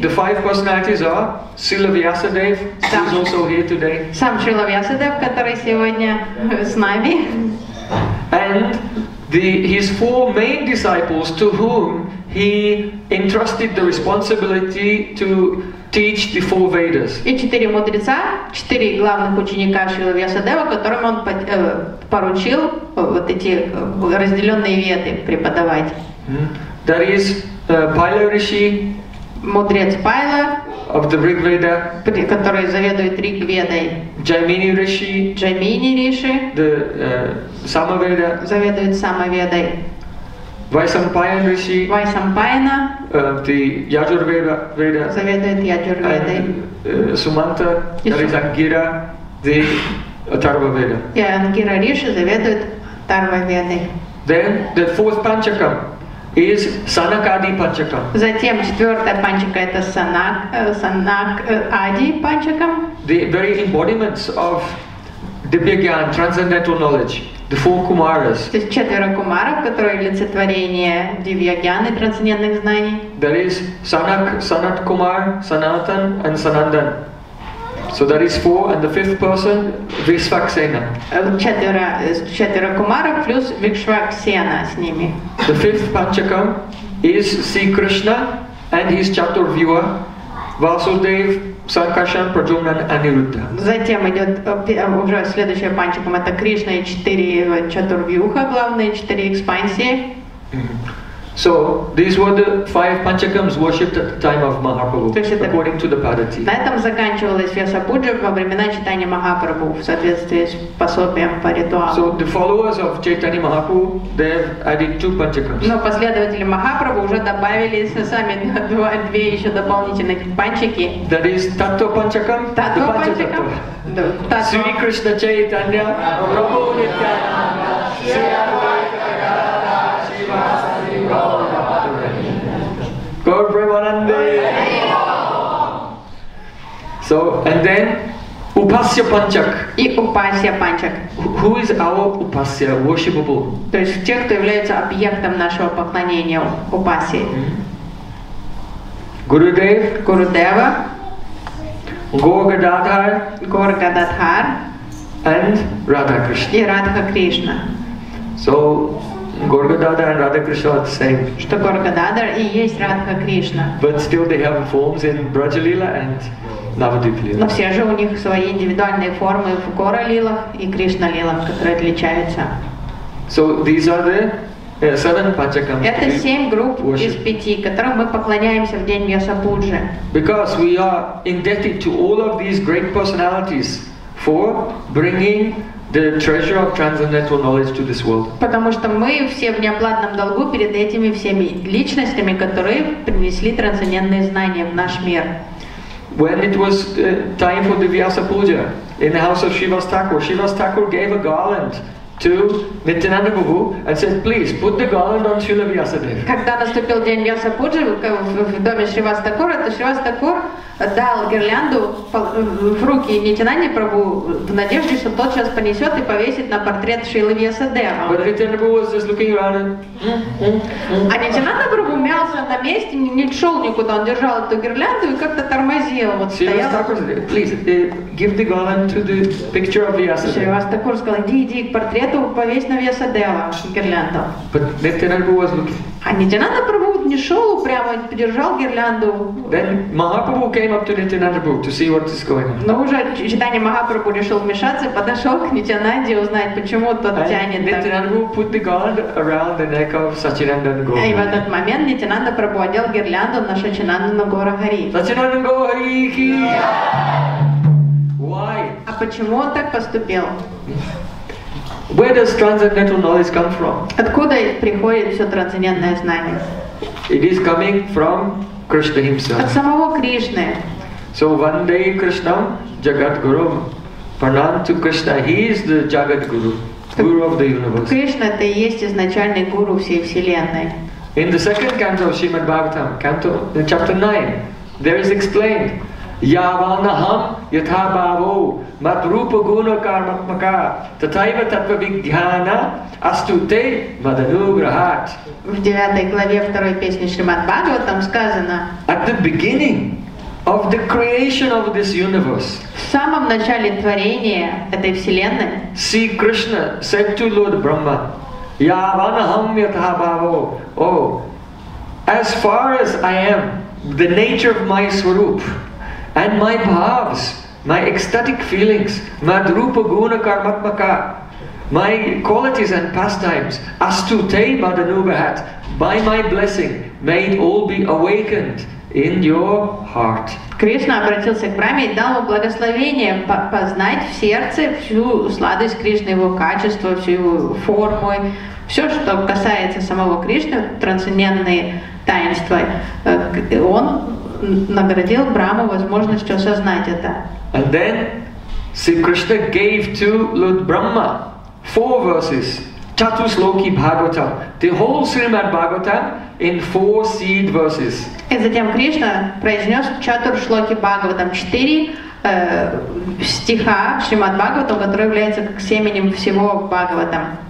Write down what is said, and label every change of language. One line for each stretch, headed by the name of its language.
English: The five personalities are Srila Vyasadev, who is also here today.
Russian: Сам Srila Vyasadev, который сегодня с нами.
English: And the his four main disciples to whom he entrusted the responsibility to teach the four Vedas.
Russian: И четыре мудреца, четыре главных ученика Шрилы Вьясадева, которым он поручил вот эти разделенные веды преподавать.
English: That is Пайла Риши.
Russian: Мудрец Пайла.
English: Of the Риг Веда.
Russian: Который заведует Риг Ведой.
English: Джаймини Риши.
Russian: Джаймини Риши.
English: The Сама Веда.
Russian: Заведует Сама Ведой.
English: Vaisampayana Rishi,
Russian: Vaisampayana,
English: the Yajurveda, Veda,
Russian: заведует Yajurveda,
English: Sumanta, that is Angira, the Atharva Veda.
Russian: Yeah, Angira Rishi заведует Atharva Veda.
English: Then the fourth Panchakam is Sanakadi Panchakam.
Russian: Затем четвертая Панчака это Sanak, Sanak Adi Panchakam.
English: The very embodiments of Dibya Gyan, transcendental knowledge. The four kumaras.
Russian: То есть четверо кумаров, которые олицетворение дивья гьяны трансцендентных знаний.
English: There is Sanak, Sanat Kumar, Sanatan and Sanandan. So that is four and the fifth person Vishvaksena.
Russian: Четверо кумаров плюс Вишваксена с ними.
English: The fifth Panchakam is Sri Krishna and his Chaturvyuha, Vasudev, Sankarshan, Prajumnan, Aniruddha.
Russian: Затем идет уже следующая панчака, это Кришна и четыре чатурвьюха, главные четыре экспансии.
English: So these were the five panchakams worshipped at the time of Mahaprabhu, according to the Padati.
Russian: На этом заканчивалась Вьясапуджа во времена читания Махапрабху в соответствии с пособием по ритуалу.
English: So the followers of Chaitanya Mahaprabhu, they have added two panchakams.
Russian: Но последователи Махапрабху уже добавили сами две еще дополнительных панчаки.
English: That is Tattva Panchakam.
Russian: Tattva Panchakam.
English: Sri Krishna Chaitanya Prabhu Nityananda. Gaur Premanande. So and then Upasya Panchak.
Russian: И Upasya Panchak.
English: Who is our Upasya worshipable?
Russian: То есть те, кто является объектом нашего поклонения Upasya.
English: Gurudev.
Russian: Gurudeva.
English: Gorgadadhar.
Russian: Gorgadadhar.
English: And Radha Krishna.
Russian: И Radha Krishna.
English: So Gorgadada and Radha Krishna are the same.
Russian: Что Gorgadada и есть Radha Krishna.
English: But still they have forms in Braja Lila and Navadvip Lila.
Russian: Но все же у них свои индивидуальные формы в Гора Лилах и Кришна Лилах, которые отличаются.
English: So these are the seven Panchakams.
Russian: Это семь групп
English: worship.
Russian: Из пяти, которым мы поклоняемся в день Вьясапуджи.
English: Because we are indebted to all of these great personalities for bringing the treasure of transcendental knowledge to this world.
Russian: Потому что мы все в неоплатном долгу перед этими всеми личностями, которые принесли трансцендентные знания в наш мир.
English: When it was time for the Vyasa Puja in the house of Shiva Thakur, Shiva Thakur gave a garland to Nityananda Prabhu and said, please put the garland on Srila Vyasadev.
Russian: Когда наступил день Vyasa Puja в доме Шрива Стакура, то Шрива Стакур дал гирлянду в руки Нитянанде Прабху в надежде, что тот сейчас понесет и повесит на портрет Шрилы Вьясадева.
English: But Nityananda Prabhu was just looking around.
Russian: А Нитянанда Прабху мялся на месте, не шел никуда, он держал эту гирлянду и как-то тормозил. Вот
English: Shiva Stakur, please, give the garland to the picture of Vyasadeva.
Russian: Шрива Стакур сказал, иди к портрету, повесь на Вьясадева гирлянду.
English: But Nityananda Prabhu was looking.
Russian: А Нитянанда Прабху не шел прямо, держал гирлянду.
English: Then Mahaprabhu came up to Nityananda Prabhu to see what is going on.
Russian: Но уже Чайтанья Махапрабху решил вмешаться, подошел к Нитянанде узнать, почему тот тянет так.
English: Nityananda Prabhu put the garland around the neck of Sachinanda Gaura.
Russian: И в этот момент Нитянанда Прабху одел гирлянду на Сачинанда Гаурахари.
English: Сачинанда Гаурахари! Why?
Russian: А почему он так поступил?
English: Where does transcendental knowledge come from?
Russian: Откуда приходит все трансцендентное знание?
English: It is coming from Krishna himself.
Russian: От самого Кришны.
English: So one day Krishna, Jagat Guru, Pranam to Krishna, he is the Jagat Guru, Guru of the universe.
Russian: Кришна это и есть изначальный гуру всей вселенной.
English: In the second canto of Srimad Bhagavatam, canto, chapter 9, there is explained.
Sanskrit: Yavanaham yatha bhavo madrupa guna karmatmaka tathaiva tattva vijnana astute madanugrahat.
Russian: В 9 главе 2 песни Шримад Бхагаватам сказано:
English: At the beginning of the creation of this universe,
Russian: в самом начале творения этой вселенной,
English: Sri Krishna said to Lord Brahma,
Sanskrit: Yavanaham yatha bhavo,
English: oh, as far as I am, the nature of my swarup, and my bhavs, my ecstatic feelings,
Sanskrit: madrupa guna karmatmaka,
English: my qualities and pastimes,
Sanskrit: astute madanubahat,
English: by my blessing, may it all be awakened in your heart.
Russian: Кришна обратился к Браме и дал ему благословение познать в сердце всю сладость Кришны, его качество, всю его форму, все, что касается самого Кришны, трансцендентные таинства. Он наградил Браму возможностью осознать это.
English: And then Sri Krishna gave to Lord Brahma four verses, Chatusloki Bhagavatam, the whole Srimad Bhagavatam in four seed verses.
Russian: И затем Кришна произнес Чатушлоки Бхагаватам, четыре стиха Шримад Бхагаватам, который является как семенем всего Бхагаватам.